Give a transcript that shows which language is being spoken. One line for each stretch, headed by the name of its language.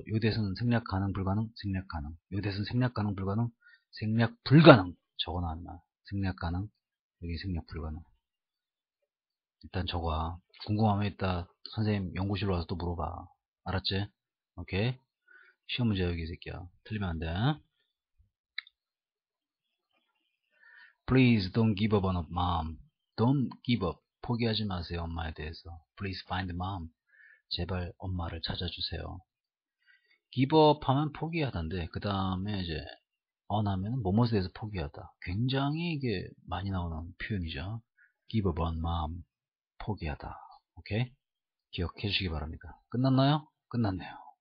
Korean: 요 대신은 생략 가능, 불가능, 생략 가능. 요 대신은 생략 가능, 불가능, 생략 불가능. 적어 놨나? 생략 가능. 여기 생략 불가능. 일단 적어와. 궁금함에 있다. 선생님, 연구실로 와서 또 물어봐. 알았지? 오케이. 시험 문제 여기 이 새끼야. 틀리면 안 돼.
English: Please don't give up on mom. Don't give up.
Korean: 포기하지 마세요, 엄마에 대해서.
English: Please find mom.
Korean: 제발 엄마를 찾아주세요.
English: Give up
Korean: 하면 포기하던데, 그 다음에 이제, on 하면 뭐뭐에 대해서 포기하다. 굉장히 이게 많이 나오는 표현이죠.
English: Give up on mom.
Korean: 포기하다. 오케이? 기억해 주시기 바랍니다. 끝났나요? 끝났네요.